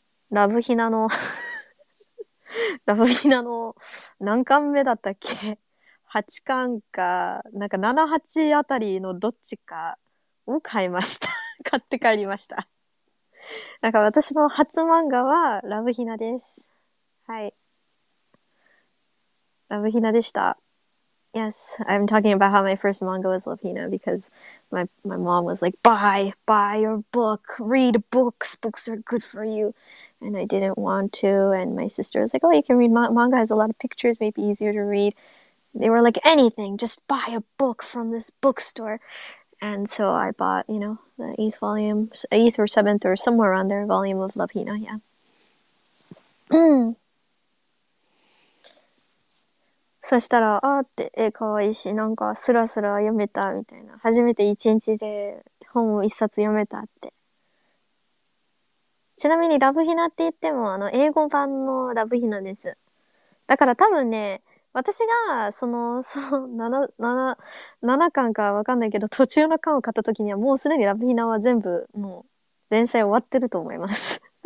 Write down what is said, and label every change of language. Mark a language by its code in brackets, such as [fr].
[ja] ラブヒナの ラブヒナの何巻目だったっけ？ 8 巻か、なんか7、8あたりのどっちかを買いました。買って帰りました。なんか私の初漫画はラブヒナです。はい。ラブヒナでした。 [en] Yes, I'm talking about how my first manga was Love Hina because my mom was like, buy your book, read books, books are good for you. And I didn't want to. And my sister was like, oh, you can read manga, has a lot of pictures, maybe easier to read. They were like, anything, just buy a book from this bookstore. And so I bought, the eighth volume, eighth or seventh or somewhere around there, volume of Love Hina, yeah. [ja] そしたら、あーって、かわいいし、なんかスラスラ読めたみたいな。初めて一日で本を一冊読めたって。ちなみにラブヒナって言っても、英語版のラブヒナです。だから多分ね、私が、7巻かわかんないけど、途中の巻を買った時には、もうすでにラブヒナは全部、もう、連載終わってると思います。